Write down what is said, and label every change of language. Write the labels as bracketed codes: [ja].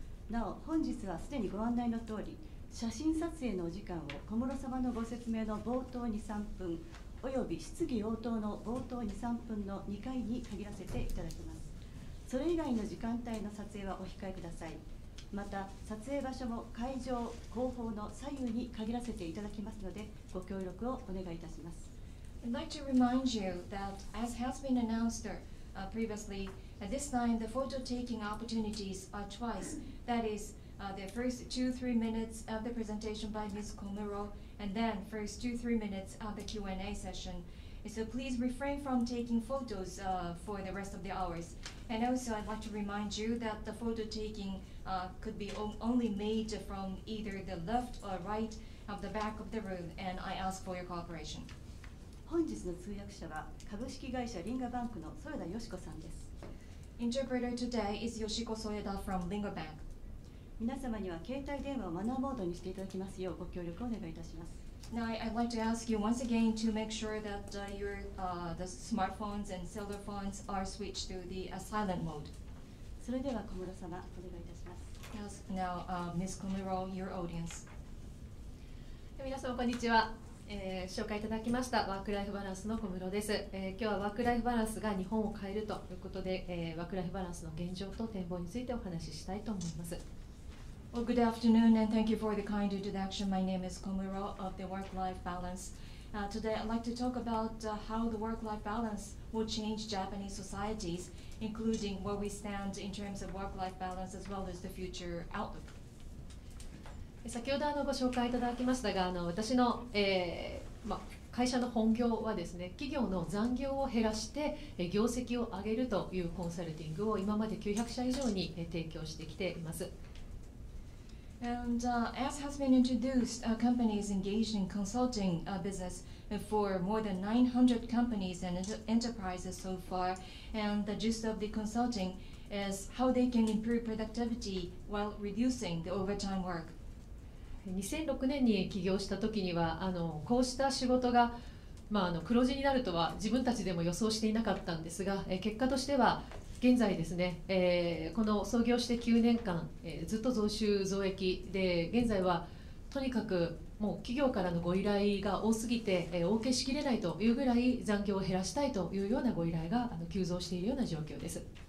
[en] Now, [ja] 本日はすでにご案内の通り、写真撮影のお時間を小室様のご説明の冒頭 2、3 分、および質疑応答の冒頭 2、3 分の2回に限らせていただきます。それ以外の時間帯の撮影はお控えください。また撮影場所も会場後方の左右に限らせていただきますので、ご協力をお願いいたします。 [en] I'd like to remind you that as has been announced previously, at this time the photo taking opportunities are twice. That is, the first 2-3 minutes of the presentation by Ms. Komuro, and then first 2-3 minutes of the Q&A session. So please refrain from taking photos for the rest of the hoursAnd also, I'd like to remind you that the photo taking could be only made from either the left or right of the back of the room, and I ask for your cooperation. [ja] 本日の通訳者は株式会社リンガバンクの添田よしこさんです。 [en] Interpreter today is Yoshiko Soeda from Linga Bank. [ja] 皆様には携帯電話をマナーモードにしていただきますようご協力をお願いいたします。 [en] Now, I'd like to ask you once again to make sure that the smartphones and cell phones are switched to the silent mode. [ja] それでは小室様、お願いいたします。 [en] Yes, now, Ms. Komuro, your audience. [ja] 皆さん、こんにちは。紹介いただきましたワークライフバランスの小室です。今日はワークライフバランスが日本を変えるということで、ワークライフバランスの現状と展望についてお話ししたいと思います。 [en] Well, good afternoon and thank you for the kind introduction. My name is Komuro of the Work-Life Balance. Today I'd like to talk about how the work-life balance will change Japanese societies, including where we stand in terms of work-life balance as well as the future outlook. [ja] 先ほどご紹介いただきましたが、私の、会社の本業はですね、企業の残業を減らして業績を上げるというコンサルティングを今まで900社以上に提供してきています。 [en] And as has been introduced, our company is engaged in consulting business for more than 900 companies and enterprises so far. And the gist of the consulting is how they can improve productivity while reducing the overtime work. [ja] 2006年に起業した時には、こうした仕事が、黒字になるとは自分たちでも予想していなかったんですが、結果としては現在ですね、この創業して9年間、ずっと増収増益で、現在はとにかくもう企業からのご依頼が多すぎて、お受けしきれないというぐらい残業を減らしたいというようなご依頼が急増しているような状況です。